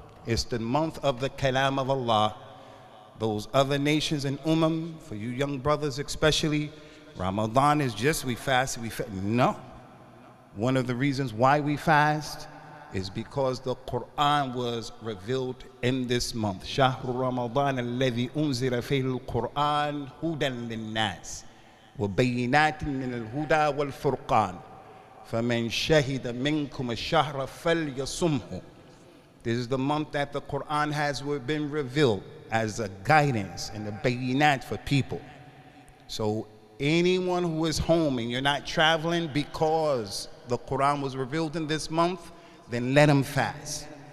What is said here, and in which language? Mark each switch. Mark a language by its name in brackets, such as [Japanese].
[English] It's the month of the kalam of Allah. Those other nations and umam, for you young brothers especially, Ramadan is just we fast. One of the reasons why we fast is because the Quran was revealed in this month. [Arabic] شهر رمضان الذي أنزل فيه القرآن هدى للناس وبينات من الهدى والفرقان فمن شهد منكم الشهر فليصمه. [English] This is the month that the Quran has been revealed as a guidance and a bayinat for people. So anyone who is home and you're not traveling because the Quran was revealed in this month, then let them fast.